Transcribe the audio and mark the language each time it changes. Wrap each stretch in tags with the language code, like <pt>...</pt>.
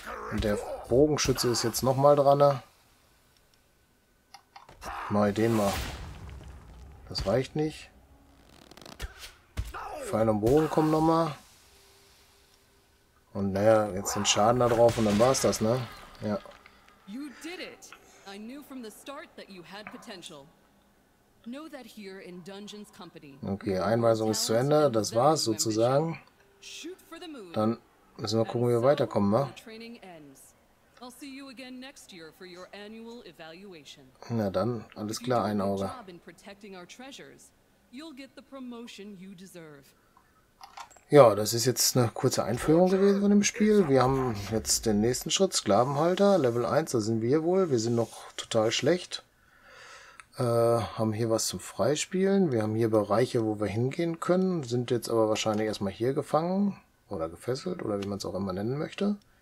<de>Und der Bogenschütze ist jetzt nochmal dran. Ne? Mal den mal. Das reicht nicht. Pfeil und Bogen kommen nochmal. Und naja, jetzt den Schaden da drauf und dann war's das, ne?</de> <en>Ja. You did it. I knew from the start that you had potential. Know that here in Dungeons Company.</en> <de>Okay, Einweisung ist zu Ende, das war's sozusagen. Dann müssen wir gucken, wie wir weiterkommen, ne?</de> <en>Training ends. I'll see you again next year for your annual evaluation.</en> <de>Na dann, alles klar, ein Auge.</de> <en>Job in protecting our treasures. You'll get the promotion you deserve.</en> <de>Ja, das ist jetzt eine kurze Einführung gewesen von dem Spiel. Wir haben jetzt den nächsten Schritt, Sklavenhalter, Level 1, da sind wir wohl. Wir sind noch total schlecht. Haben hier was zum Freispielen. Wir haben hier Bereiche, wo wir hingehen können. Sind jetzt aber wahrscheinlich erstmal hier gefangen oder gefesselt oder wie man es auch immer nennen möchte.</de>